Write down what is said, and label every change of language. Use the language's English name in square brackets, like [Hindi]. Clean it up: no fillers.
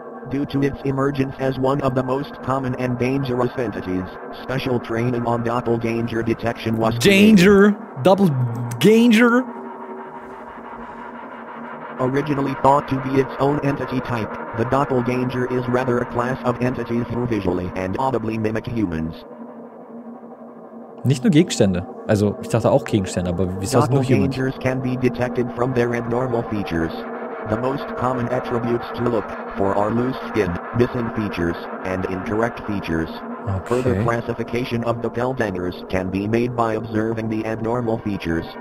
[English] Due to its emergence as one of the most common and dangerous entities, special training on doppelganger detection was danger. Double ganger. Originally thought to be its own entity type, the doppelganger is rather a class of entities who visually and audibly mimic humans. [German] Nicht nur Gegenstände. Also, ich dachte auch Gegenstände, aber wie sagst du nur humans? [English] Dangers can be detected from their abnormal features. The most common attributes to look for are loose skin, missing features, and incorrect features. Okay. Further classification of the doppelgangers can be made by observing the abnormal features.